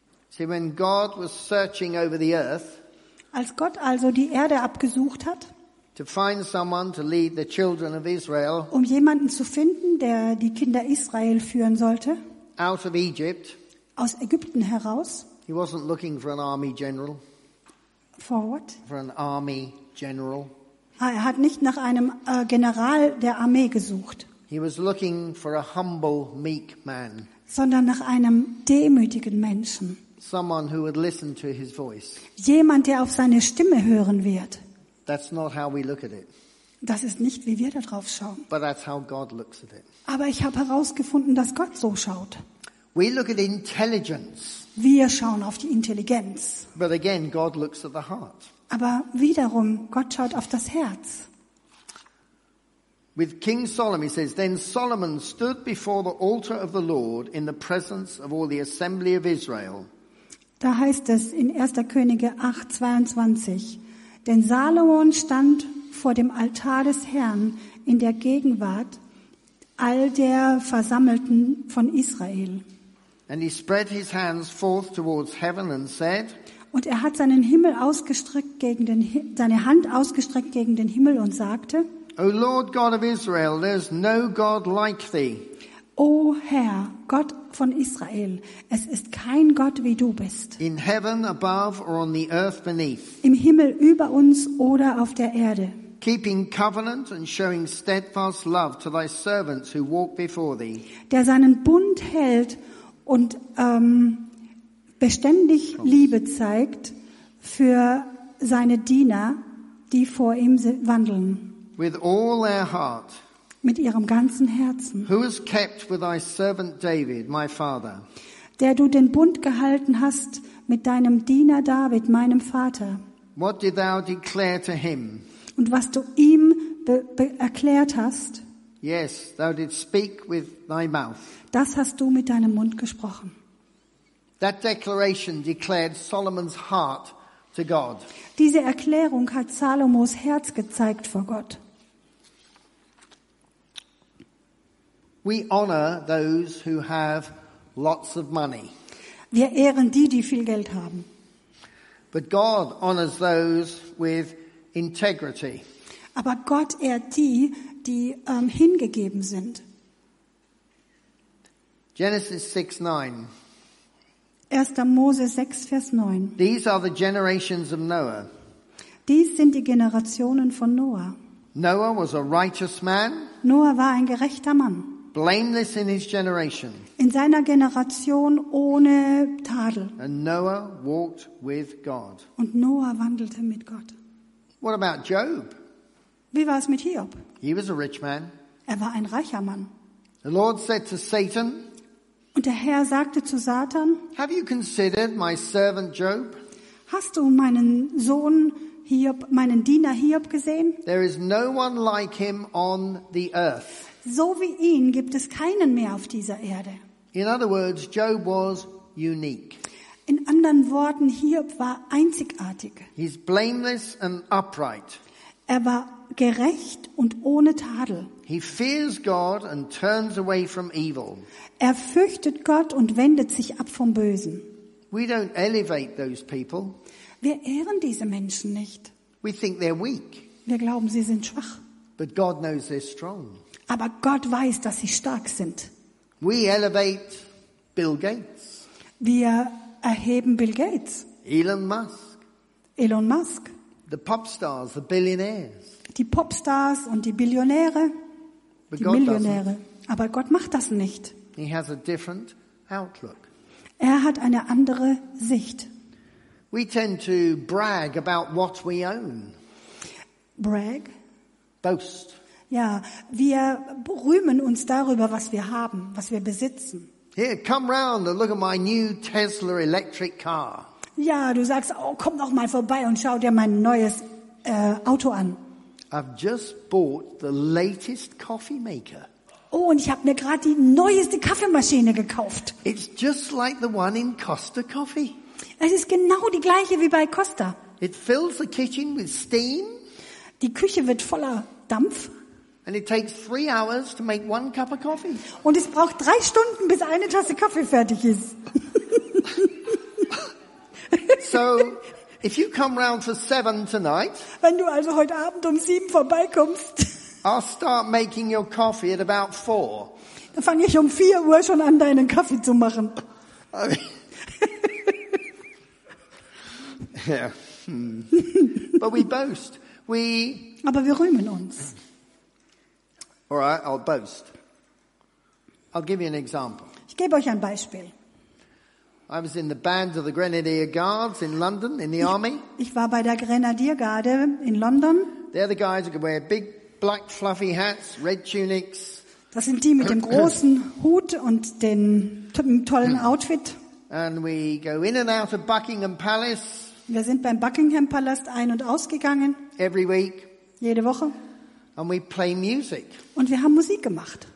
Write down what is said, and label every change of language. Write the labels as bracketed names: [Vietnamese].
[English] See, when God was searching over the earth, [German] als Gott also die Erde abgesucht hat, [English] to find someone to lead the children of Israel, [German] um jemanden zu finden, der die Kinder Israel führen sollte, [English] out of Egypt, [German] aus Ägypten heraus, [English] he wasn't looking for an army general. For what? For an army general. [German] Er hat nicht nach einem General der Armee gesucht. [English] He was looking for a humble, meek man. [German] Sondern nach einem demütigen Menschen. [English] Someone who would listen to his voice. [German] Jemand, der auf seine Stimme hören wird. [English] That's not how we look at it. [German] Das ist nicht, wie wir darauf schauen. [English] But that's how God looks at it. [German] Aber ich habe herausgefunden, dass Gott so schaut. [English] We look at intelligence. [German] Wir schauen auf die Intelligenz. [English] But again, God looks at the heart. [German] Aber wiederum, Gott schaut auf das Herz. [English] With King Solomon, he says, then Solomon stood before the altar of the Lord in the presence of all the assembly of Israel. [German] Da heißt es in 1. Könige 8, 22, denn Salomon stand vor dem Altar des Herrn in der Gegenwart all der Versammelten von Israel. [English] And he spread his hands forth towards heaven and said, [German] und er hat seinen Himmel ausgestreckt gegen den, seine Hand ausgestreckt gegen den Himmel und sagte, [English] O Lord God of Israel, there's no God like thee. [German] O Herr, Gott von Israel, es ist kein Gott wie du bist. [English] In heaven above or on the earth beneath. [German] Im Himmel über uns oder auf der Erde. [English] Keeping covenant and showing steadfast love to thy servants who walk before thee. [German] Der seinen Bund hält und beständig Liebe zeigt für seine Diener, die vor ihm wandeln. [English] With all their heart. [German] Mit ihrem ganzen Herzen. [English] Who has kept with thy servant David, my father? [German] Der du den Bund gehalten hast mit deinem Diener David, meinem Vater. [English] What did thou declare to him? [German] Und was du ihm erklärt hast. [English] Yes, thou didst speak with thy mouth. [German] Das hast du mit deinem Mund gesprochen. [English] That declaration declared Solomon's heart to God. [German] Diese Erklärung hat Salomos Herz gezeigt vor Gott. [English] We honor those who have lots of money. [German] Wir ehren die, die viel Geld haben. [English] But God honors those with integrity. [German] Aber Gott ehrt die, die hingegeben sind. [English] Genesis 6:9. [German] 1. Mose 6, Vers 9. [English] These are the generations of Noah. [German] Dies sind die Generationen von Noah. [English] Noah was a righteous man. [German] Noah war ein gerechter Mann. [English] Blameless in his generation. [German] In seiner Generation ohne Tadel. [English] And Noah walked with God. [German] Und Noah wandelte mit Gott. [English] What about Job? [German] Wie war es mit Hiob? [English] He was a rich man. [German] Er war ein reicher Mann. [English] The Lord said to Satan. [German] Und der Herr sagte zu Satan, [English] have you considered my servant Job? [German] Hast du meinen Sohn Hiob, meinen Diener Hiob gesehen? [English] There is no one like him on the earth. [German] So wie ihn gibt es keinen mehr auf dieser Erde. [English] In other words, Job was unique. [German] In anderen Worten, Hiob war einzigartig. [English] He's blameless and upright. [German] Er war gerecht und ohne Tadel. [English] He fears God and turns away from evil. [German] Er fürchtet Gott und wendet sich ab vom Bösen. [English] We don't elevate those people. [German] Wir ehren diese Menschen nicht. [English] We think they're weak. [German] Wir glauben, sie sind schwach. [English] But God knows they're strong. [German] Aber Gott weiß, dass sie stark sind. [English] We elevate Bill Gates. [German] Wir erheben Bill Gates. [English] Elon Musk. [German] Elon Musk. [English] The pop stars, the billionaires. [German] Die Popstars und die Billionäre. [English] But [German] die God Millionäre. [English] Doesn't. [German] Aber Gott macht das nicht. [English] He has a different outlook. [German] Er hat eine andere Sicht. [English] We tend to brag about what we own. Brag? Boast. [German] Ja, wir rühmen uns darüber, was wir haben, was wir besitzen. [English] Here, come round and look at my new Tesla electric car. [German] Ja, du sagst, oh, komm doch mal vorbei und schau dir mein neues Auto an. [English] I've just bought the latest coffee maker. [German] Oh, und ich habe mir gerade die neueste Kaffeemaschine gekauft. [English] It's just like the one in Costa Coffee. [German] Es ist genau die gleiche wie bei Costa. [English] It fills the kitchen with steam. [German] Die Küche wird voller Dampf. [English] And it takes 3 hours to make one cup of coffee. [German] Und es braucht 3 Stunden, bis eine Tasse Kaffee fertig ist. [English] So, if you come round for 7 tonight, [German] wenn du also heute Abend um 7 vorbeikommst, [English] I'll start making your coffee at about 4. [German] Dann fange ich um 4 Uhr schon an, deinen Kaffee zu machen. [English] Yeah. But we boast. [German] Aber wir rühmen uns. [English] All right, I'll boast. I'll give you an example. [German] Ich gebe euch ein Beispiel. [English] I was in the band of the Grenadier Guards in London in the army. [German] Ich war bei der Grenadiergarde in London. [English] They're the guys who wear big black fluffy hats, red tunics. [German] Das sind die mit dem großen Hut und den tollen Outfit. [English] And we go in and out of Buckingham Palace. [German] Wir sind beim Buckingham Palast ein und ausgegangen. [English] Every week. [German] Jede Woche. [English] And we play music. [German] Und wir haben Musik gemacht.